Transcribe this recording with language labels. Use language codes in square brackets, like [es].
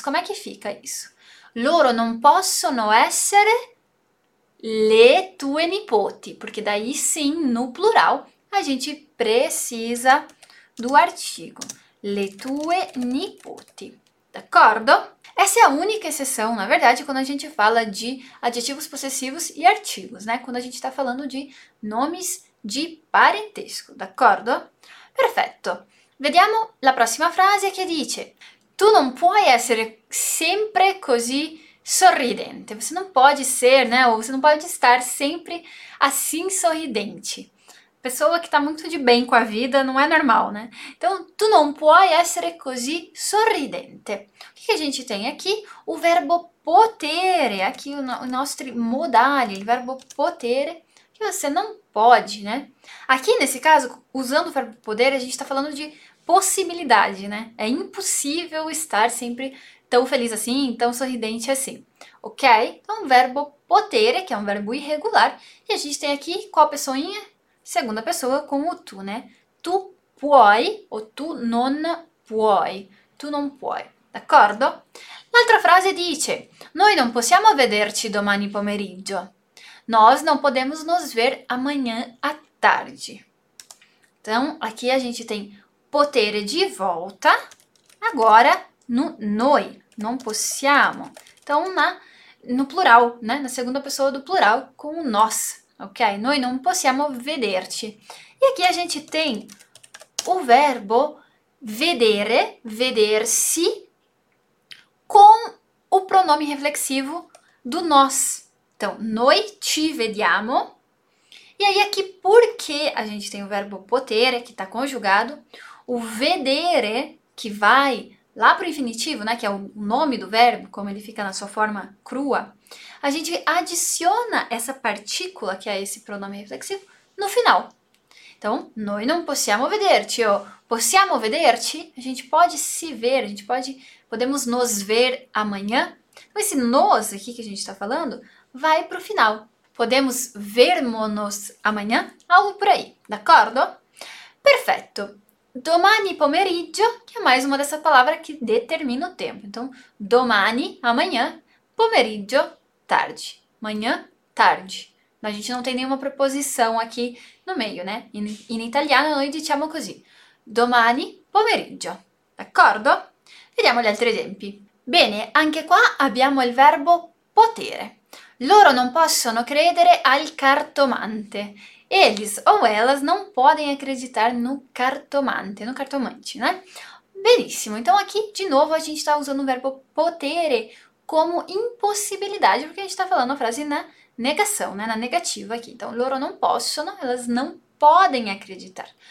[pt] Como é que fica isso? [it] Loro non possono essere le tue nipoti, [pt] porque daí sim, no plural, a gente precisa do artigo [it] le tue nipoti. [pt] D'accordo? Essa é a única exceção, na verdade, quando a gente fala de adjetivos possessivos e artigos, né? Quando a gente está falando de nomes de parentesco, d'accordo? [it] Perfetto. Vediamo la prossima frase che dice: tu non puoi essere sempre così sorridente. [pt] Você não pode ser, né? Ou você não pode estar sempre assim sorridente. Pessoa que tá muito de bem com a vida não é normal, né? [it] Então, tu non puoi essere così sorridente. [pt] O que que a gente tem aqui? O verbo potere. Aqui o nosso modale, il verbo potere, que você não pode, né? Aqui nesse caso, usando o verbo poder, a gente está falando de possibilidade, né? É impossível estar sempre tão feliz assim, tão sorridente assim, ok? Então, verbo potere, que é um verbo irregular, e a gente tem aqui qual pessoinha? Segunda pessoa com o tu, né? [it] Tu puoi ou tu non puoi. Tu non puoi, d'accordo? L'altra frase dice: noi non possiamo vederci domani pomeriggio. [pt] Nós não podemos nos ver amanhã à tarde. Então, aqui a gente tem potere de volta, agora no noi, [it] non possiamo. [pt] Então, no plural, né? Na segunda pessoa do plural, com o nós, ok? [it] Noi non possiamo vederci. [pt] E aqui a gente tem o verbo vedere, vedersi, com o pronome reflexivo do nós. Então, [it] noi ci vediamo. [pt] E aí, aqui, porque a gente tem o verbo potere, que está conjugado, o vedere, que vai lá para o infinitivo, né, que é o nome do verbo, como ele fica na sua forma crua, a gente adiciona essa partícula, que é esse pronome reflexivo, no final. [it] Então, noi non possiamo vederci, ou possiamo vederci? [pt] A gente pode se ver, a gente pode, podemos nos ver amanhã. Então, esse nos aqui que a gente está falando vai para o final. Podemos vermo-nos amanhã? Algo por aí, [it] d'accordo? Perfetto. [pt] Domani pomeriggio, que é mais uma dessa palavra que determina o tempo. Então, domani, amanhã, pomeriggio, tarde. Manhã, tarde. A gente não tem nenhuma preposição aqui no meio, né? [it] In italiano noi diciamo così. Domani pomeriggio, d'accordo? Vediamo gli altri esempi. Bene, anche qua abbiamo il verbo potere. Loro non possono credere al cartomante. [pt] Eles ou elas não podem acreditar no cartomante, no cartomante, né? Veríssimo. Então, aqui, de novo, a gente está usando o verbo potere como impossibilidade, porque a gente está falando a frase na negação, né? Na negativa aqui. Então, [it] loro non possono, [pt] elas não podem acreditar.